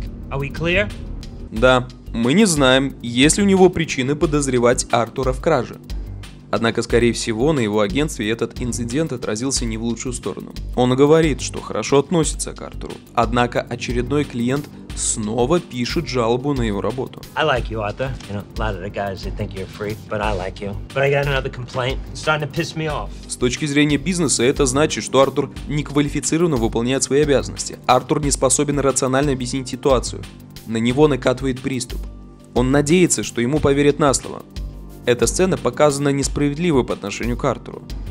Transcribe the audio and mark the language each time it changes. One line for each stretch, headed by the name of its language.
Russian: Да. Мы не знаем, есть ли у него причины подозревать Артура в краже. Однако, скорее всего, на его агентстве этот инцидент отразился не в лучшую сторону. Он говорит, что хорошо относится к Артуру, однако очередной клиент снова пишет жалобу на его работу.
English: I like you, Arthur. You know, a lot of the guys, they think you're a freak, but I like you. But I got another complaint. It's starting to piss me off.
Russian: С точки зрения бизнеса, это значит, что Артур неквалифицированно выполняет свои обязанности. Артур не способен рационально объяснить ситуацию. На него накатывает приступ. Он надеется, что ему поверят на слово. Эта сцена показана несправедливо по отношению к Артуру.